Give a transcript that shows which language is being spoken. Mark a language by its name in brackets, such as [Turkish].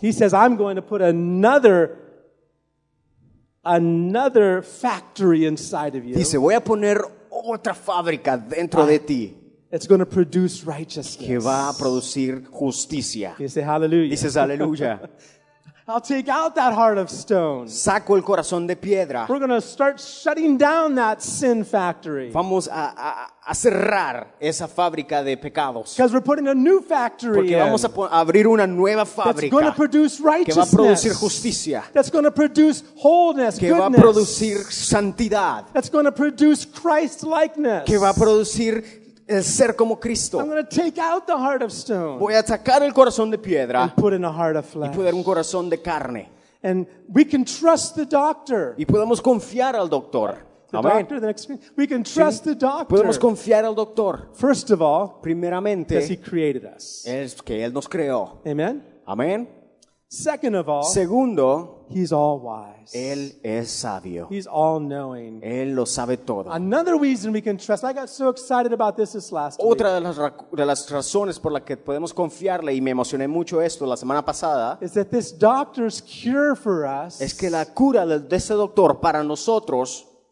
[English] He says, "I'm going to put another factory inside of you." [Spanish] Dice, voy a poner otra fábrica dentro de ti. [English] It's going to produce righteousness. [Spanish] Que va a producir justicia. [English] You say hallelujah. [Spanish] Dices aleluya. [English] I'll take out that heart of stone. [Spanish] Saco el corazón de piedra. [English] We're going to start shutting down that sin factory. [Spanish] Vamos a cerrar esa fábrica de pecados. [English] Because we're putting a new factory. [Spanish] Porque vamos a abrir una nueva fábrica. [English] That's going to produce righteousness. [Spanish] Que va a producir justicia. [English] That's going to produce wholeness. [Spanish] Que [English] goodness. [Spanish] Va a producir santidad. [English] That's going to produce Christ likeness. [Spanish] Que va a producir el ser como Cristo. [English] I'm going to take out the heart of stone. [Spanish] Voy a sacar el corazón de piedra. [English] And put in a heart of flesh. [Spanish] Y poner un corazón de carne. [English] And we can trust the doctor. [Spanish] Y podemos confiar al doctor. [English] The amen. Doctor, the next, we can trust [Spanish] sí. [English] The doctor. [Spanish] Podemos confiar al doctor. [English] First of all, [Spanish] primeramente, [English] because he created us. [Spanish] Es que él nos creó. [English] Amen. Amen. Second of all, [Spanish] segundo, [English] he's all wise. [Spanish] Él es sabio. [English] He's all knowing. [Spanish] Él lo sabe todo. [English] Another reason we can trust. I got so excited about this last week. [Spanish] Otra de las razones por la que podemos confiarle y me emocioné mucho esto la semana pasada. [English] Is that this doctor's cure for us? [Spanish] Es que la cura de ese doctor para nosotros